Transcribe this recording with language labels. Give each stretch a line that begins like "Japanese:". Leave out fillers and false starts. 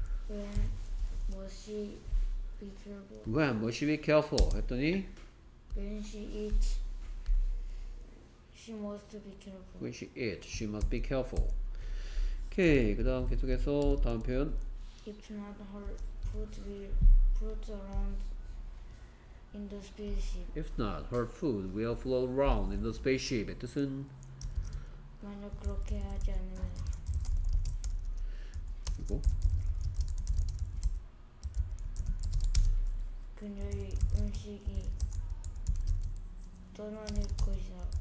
English: When must she be careful? When must she be careful?
Korean: 했더니
English: When she eats, she must be careful. when she eats, she must be careful. 오케이.
Korean: 그 다음 계속해서 다음 표현.
English: If not, her food will float around in the spaceship. If not, her food will flow around in the spaceship.
Korean: 뜻은 만약 그렇게 하지 않으면. 그리고 그녀의 음식이 떠나는 것이다.